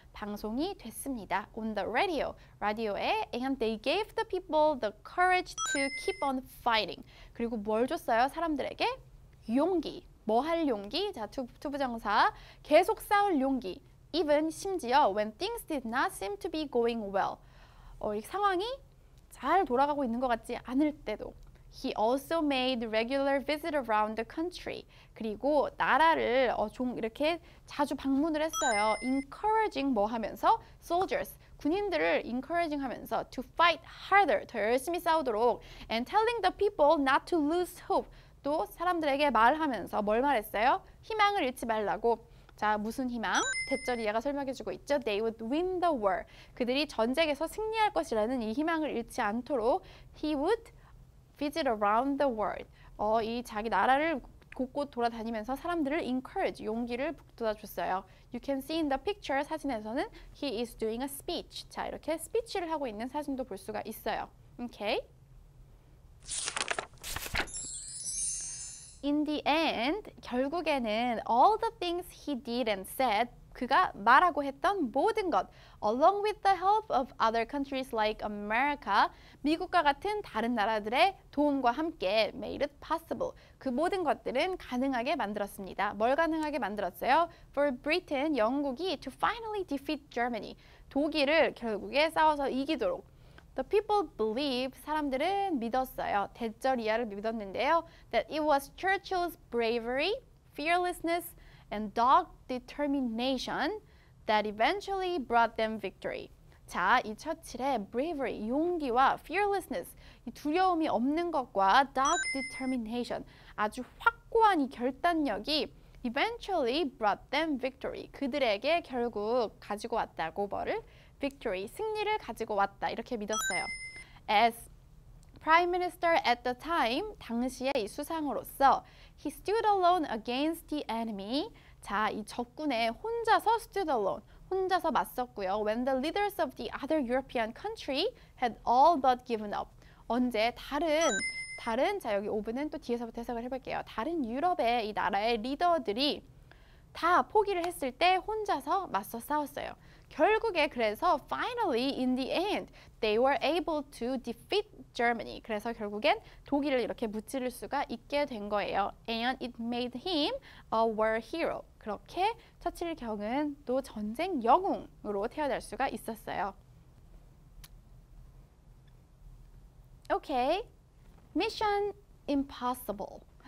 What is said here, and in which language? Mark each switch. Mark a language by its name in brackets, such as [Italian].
[Korean] 방송이 됐습니다. [English] On the radio, [Korean] 라디오에. [English] And they gave the people the courage to keep on fighting. [Korean] 그리고 뭘 줬어요? 사람들에게 용기. 뭐 할 용기? 자, 투부정사. 계속 싸울 용기. [English] Even [Korean] 심지어 [English] when things did not seem to be going well. [Korean] 이 상황이 잘 돌아가고 있는 것 같지 않을 때도. [English] He also made regular visits around the country. [Korean] 그리고 나라를 좀 이렇게 자주 방문을 했어요. Encouraging 뭐 하면서? Soldiers, 군인들을 encouraging 하면서 [English] to fight harder, [Korean] 더 열심히 싸우도록. [English] And telling the people not to lose hope. [Korean] 또 사람들에게 말하면서 뭘 말했어요? 희망을 잃지 말라고. 자, 무슨 희망? 대절이 얘가 설명해주고 있죠. [English] They would win the war. [Korean] 그들이 전쟁에서 승리할 것이라는 이 희망을 잃지 않도록 [English] he would visit around the world. [Korean] 이 자기 나라를 곳곳 돌아다니면서 사람들을 encourage, 용기를 북돋아 줬어요. [English] You can see in the picture [Korean] 사진에서는 [English] he is doing a speech. [Korean] 자, 이렇게 스피치를 하고 있는 사진도 볼 수가 있어요. [English] Okay? In the end, 결국에는 all the things he did and said, [Korean] 그가 말하고 했던 모든 것, [English] along with the help of other countries like America, [Korean] 미국과 같은 다른 나라들의 도움과 함께 [English] made it possible. [Korean] 그 모든 것들은 가능하게 만들었습니다. 뭘 가능하게 만들었어요? [English] For Britain, [Korean] 영국이 [English] to finally defeat Germany, [Korean] 독일을 결국에 싸워서 이기도록. [English] The people believe, 사람들은 믿었어요. [Korean] 대절이야를 믿었는데요. [English] That it was Churchill's bravery, fearlessness, and dogged determination that eventually brought them victory. [Korean] 자, 이 처칠의 bravery, 용기와 fearlessness, 이 두려움이 없는 것과 dogged determination, 아주 확고한 이 결단력이 [English] eventually brought them victory. [Korean] 그들에게 결국 가지고 왔다고 뭐를? [English] Victory, [Korean] 승리를 가지고 왔다 이렇게 믿었어요. [English] As Prime Minister at the time, [Korean] 당시의 이 수상으로서 [English] he stood alone against the enemy. [Korean] 자, 이 적군에 혼자서 [English] stood alone, [Korean] 혼자서 맞섰고요. [English] When the leaders of the other European country had all but given up. [Korean] 언제 다른 자 여기 5분은 또 뒤에서부터 해석을 해볼게요. 다른 유럽의 이 나라의 리더들이 다 포기를 했을 때 혼자서 맞서 싸웠어요. 결국에 그래서 [English] finally in the end they were able to defeat Germany. [Korean] 그래서 결국엔 독일을 이렇게 무찌를 수가 있게 된 거예요. [English] And it made him a war hero. [Korean] 그렇게 처칠 경은 또 전쟁 영웅으로 태어날 수가 있었어요. [English] Okay, Mission Impossible.